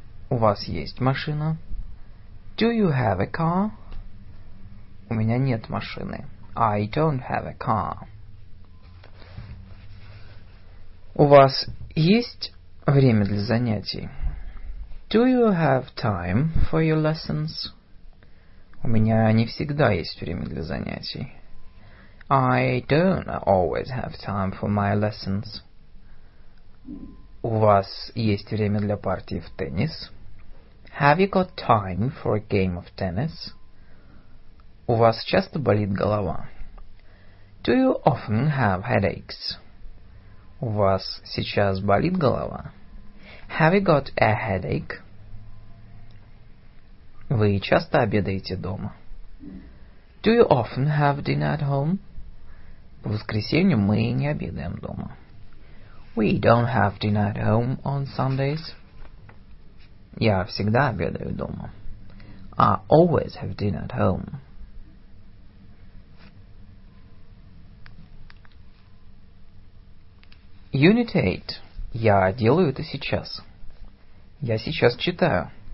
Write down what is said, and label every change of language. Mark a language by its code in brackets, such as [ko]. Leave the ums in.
[ru] У вас есть машина? [en] Do you have a car? [ru] У меня нет машины. [en] I don't have a car. [ru] У вас есть время для занятий? [en] Do you have time for your lessons? [ru] У меня не всегда есть время для занятий. [en] I don't always have time for my lessons. [ru] У вас есть время для партии в теннис? [en] Have you got time for a game of tennis? [ru] У вас часто болит голова? [en] Do you often have headaches? [ru] У вас сейчас болит голова? [en] Have you got a headache? [ru] Вы часто обедаете дома? [en] Do you often have dinner at home? [ru] По воскресеньям мы не обедаем дома. [en] We don't have dinner at home on Sundays. [ru] Я всегда обедаю дома. [en] I always have dinner at home. [ru] Unit 8. Я делаю это сейчас. Я сейчас читаю.